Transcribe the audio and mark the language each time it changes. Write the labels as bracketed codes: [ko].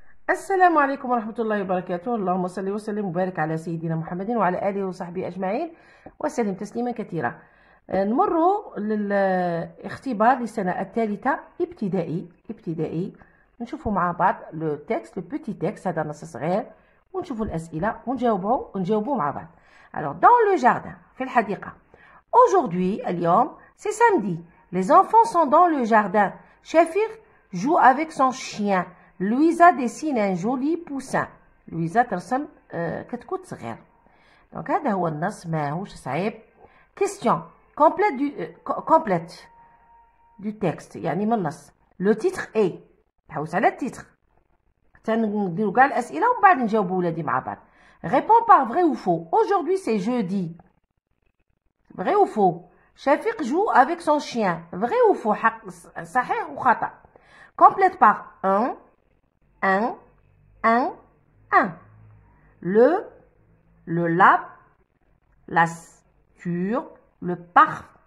[ar] السلام عليكم ورحمة الله وبركاته. اللهم صل وسلم وبارك على سيدنا محمد وعلى آله وصحبه أجمعين، وسلم تسليما كثيرا. نمر للاختبار للسنة الثالثة ابتدائي. نشوفه مع بعض، [fr] لو تكست لو بوتي تكست، [ar] هذا نص صغير، ونشوف الأسئلة ونجاوبه مع بعض. [fr] Alors dans le jardin، [ar] في الحديقة. [fr] Aujourd'hui، [ar] اليوم [fr] c'est samedi. Les enfants sont dans le jardin. Shafir joue avec son chien. Louisa dessine un joli poussin. [ar] Louisa ترسم كتكوت صغير. Donc, هذا هو النص، ماهوش صعيب. [fr] Question. Complète du texte. [ar] يعني من النص. [fr] Le titre est. [ar] تحوس على التيتر. تنديرو كاع الأسئلة ومن بعد نجاوبو ولادي مع بعض. [fr] Réponds par vrai ou faux. Aujourd'hui c'est jeudi. Vrai ou faux. Shafiq joue avec son chien. Vrai ou faux. صحيح ou خطأ. Complète par un. Un, un, un. Le lap, la sture, le parf.